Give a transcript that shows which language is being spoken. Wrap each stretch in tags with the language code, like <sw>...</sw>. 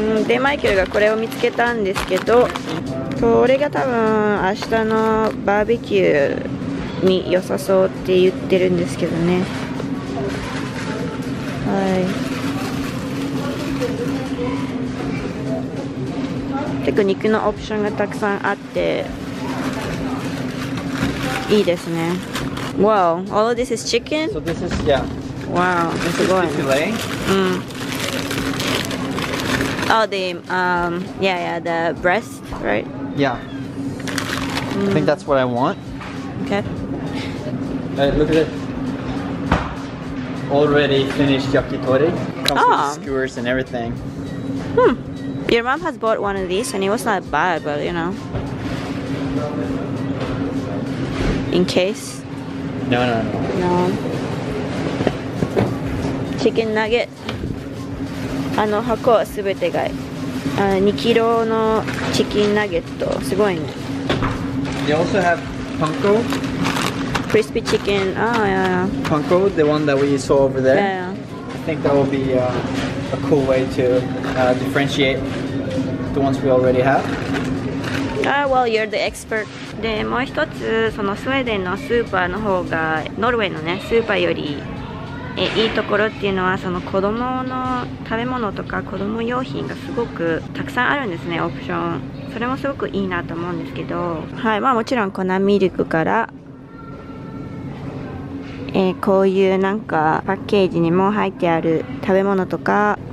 <ja>でマイケルがこれを見つけたんですけど、これが多分明日のバーベキューに良さそうって言ってるんですけどね。はい、結構肉のオプションがたくさんあっていいですね。</ja> <en>Wow, all of this is chicken? So this is, yeah. Wow, that's</en> <ja>すごい。</ja> <en>Oh, the, yeah, yeah, the breast, right? Yeah. I think that's what I want. Okay. Hey, look at it. Already finished yakitori. Comes with skewers and everything. Your mom has bought one of these and it was not bad, but you know. In case? No. Chicken nugget.</en> <ja>あの箱はすべてが、2kgのチキンナゲット。すごいね。</ja> <en>They also have panko. Crispy chicken. Oh, yeah, yeah. Panko, the one that we saw over there. Yeah, yeah. I think that will be a cool way to differentiate. The ones we already have. Well, you're the expert.</en> <ja>でもう一つ、そのスウェーデンのスーパーの方がノルウェーのねスーパーよりいいところっていうのは、その子供の食べ物とか子供用品がすごくたくさんあるんですね、オプション。それもすごくいいなと思うんですけど、はい、まあもちろん粉ミルクから、こういうなんかパッケージにも入ってある食べ物とか。</ja>